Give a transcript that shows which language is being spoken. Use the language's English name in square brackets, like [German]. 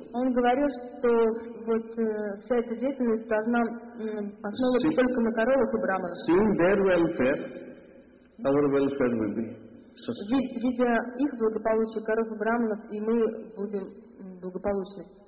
[Russian] Он говорил, что вот вся эта деятельность должна основываться только на коровах и брахманах. [English] Seeing their welfare, our welfare will be sustained. [Russian] Видя их благополучие, коров и брахманов, и мы будем благополучны.